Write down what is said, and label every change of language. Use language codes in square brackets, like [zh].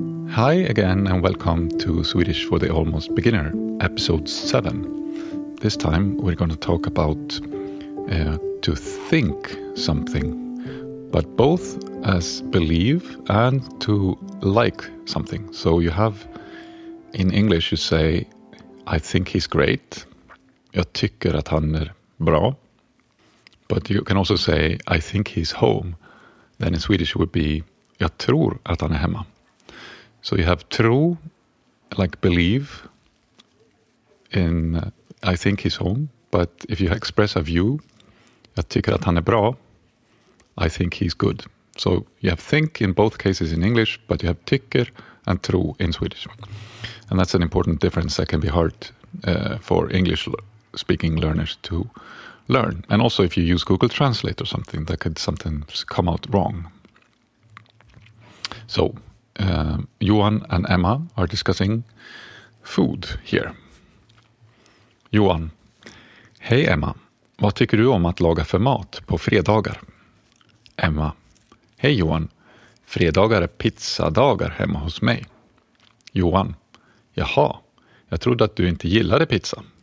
[en] Hi again and welcome to Swedish for the Almost Beginner, episode 7. This time we're going to talk about to think something, but both as believe and to like something. So you have, in English you say, I think he's great. [sv] Jag tycker att han är bra. [en] But you can also say, I think he's home. Then in Swedish it would be, [sv] jag tror att han är hemma. [en] So you have tro, like believe, in I think he's home. But if you express a view, [sv] jag tycker att han är bra, [en] I think he's good. So you have think in both cases in English, but you have tycker and tro in Swedish. And that's an important difference that can be hard for English speaking learners to learn. And also if you use Google Translate or something, that could sometimes come out wrong. So Johan and Emma are discussing food here. [sv] Johan: Hej Emma, vad tycker du om att laga för mat på fredagar? Emma: Hej Johan, fredagar är pizzadagar hemma hos mig. Johan: Jaha, jag trodde att du inte gillade pizza.